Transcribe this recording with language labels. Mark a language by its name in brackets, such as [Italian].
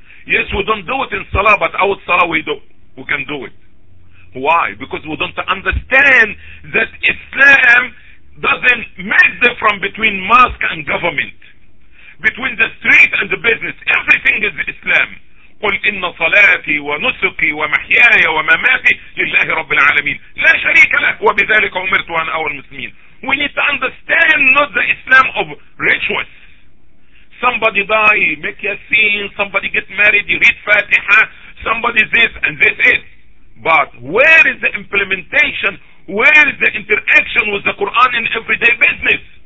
[English] Yes, we don't do it in salah, but out salah we can do it. Why? Because we don't understand that Islam doesn't make difference between mosque and government, between the street and the business. Everything is Islam. [Arabic] قل إن صلاتي ونسكي ومحياي ومماتي لله رب العالمين لا شريك له وبذلك أمرت أن أول المسلمين. [English] We need to understand not the Islam of rituals. Somebody die, make yasin, somebody get married, you read Fatiha, somebody this and this is. But where is the implementation, where is the interaction with the Quran in everyday business?